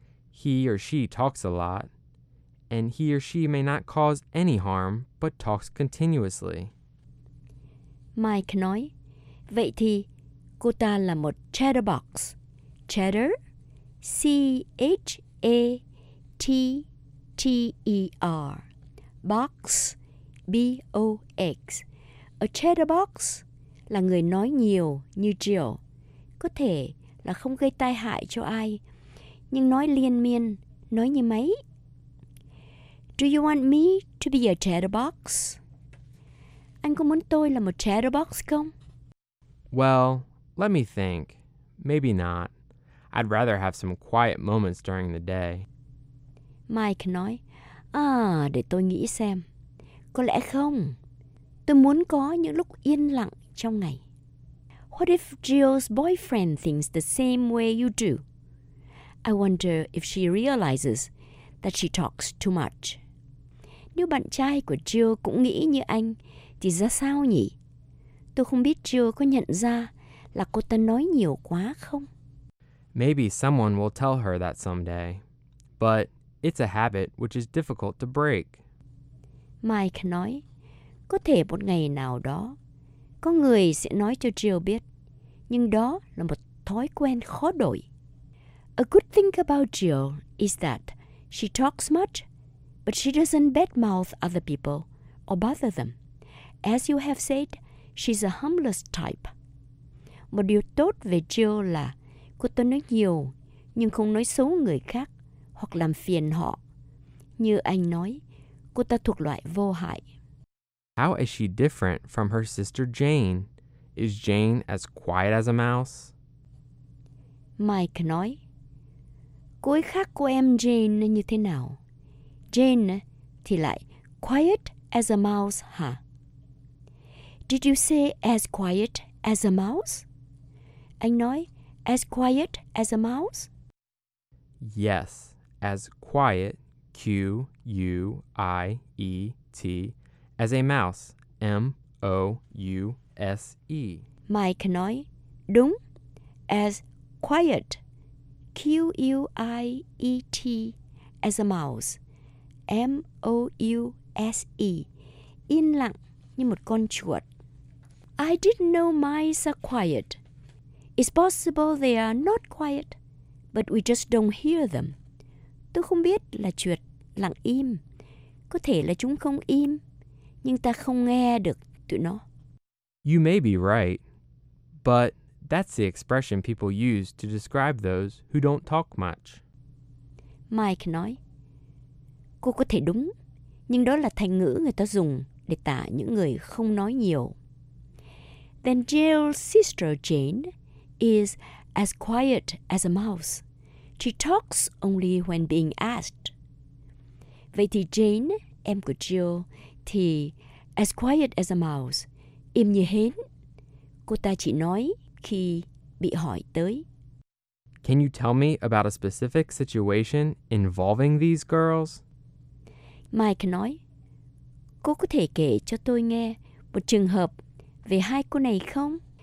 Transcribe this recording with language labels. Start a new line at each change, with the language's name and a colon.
English: He or she talks a lot, and he or she may not cause any harm, but talks continuously.
Vietnamese: Mike nói, vậy thì cô ta là một chatterbox.
English: Chatter, C-H-A-T-T-E-R. Box, B-O-X.
Vietnamese: A chatterbox là người nói nhiều như Jill. Có thể là không gây tai hại cho ai, nhưng nói liên miên, nói như máy.
English: Do you want me to be a chatterbox?
Vietnamese: Anh có muốn tôi là một chatterbox không?
English: Well, let me think. Maybe not. I'd rather have some quiet moments during the day.
Vietnamese: Mike nói, à, để tôi nghĩ xem. Có lẽ không. Tôi muốn có những lúc yên lặng trong ngày.
English: What if Jill's boyfriend thinks the same way you do? I wonder if she realizes that she talks too much.
Vietnamese: Nếu bạn trai của Jill cũng nghĩ như anh, thì ra sao nhỉ? Tôi không biết Jill có nhận ra là cô ta nói nhiều quá không.
English: Maybe someone will tell her that someday. But it's a habit which is difficult to break.
Vietnamese: Mike nói, có thể một ngày nào đó, có người sẽ nói cho Jill biết, nhưng đó là một thói quen khó đổi.
English: A good thing about Jill is that she talks much, but she doesn't badmouth other people or bother them. As you have said, she's a humblest type.
Vietnamese: Một điều tốt về Jill là cô ta nói nhiều, nhưng không nói xấu người khác hoặc làm phiền họ. Như anh nói, cô ta thuộc loại vô hại.
English: How is she different from her sister Jane? Is Jane as quiet as a mouse?
Vietnamese: Mike nói, cô ấy khác cô em Jane như thế nào? Jane thì lại
English: quiet as a mouse,
Vietnamese: hả? Huh?
English: Did you say as quiet as a mouse?
Vietnamese: Anh nói,
English: as quiet as a mouse? Yes, as quiet, quiet, as a mouse, mouse.
Vietnamese: Mike nói, đúng,
English: as quiet, quiet, as a mouse, mouse,
Vietnamese: yên lặng như một con chuột.
English: I didn't know mice are quiet. It's possible they are not quiet, but we just don't hear them.
Vietnamese: Tôi không biết là chuột lặng im. Có thể là chúng không im, nhưng ta không nghe được tụi nó.
English: You may be right, but that's the expression people use to describe those who don't talk much.
Vietnamese: Mike nói, cô có thể đúng, nhưng đó là thành ngữ người ta dùng để tả những người không nói nhiều.
English: Then Jill's sister Jane is as quiet as a mouse. She talks only when being asked.
Vietnamese: Vậy thì Jane, em của Jill, thì
English: as quiet as a mouse,
Vietnamese: im như hến. Cô ta chỉ nói khi bị hỏi tới.
English: Can you tell me about a specific situation involving these girls?
Vietnamese: Mike nói, cô có thể kể cho tôi nghe một trường hợp về hai cô này không?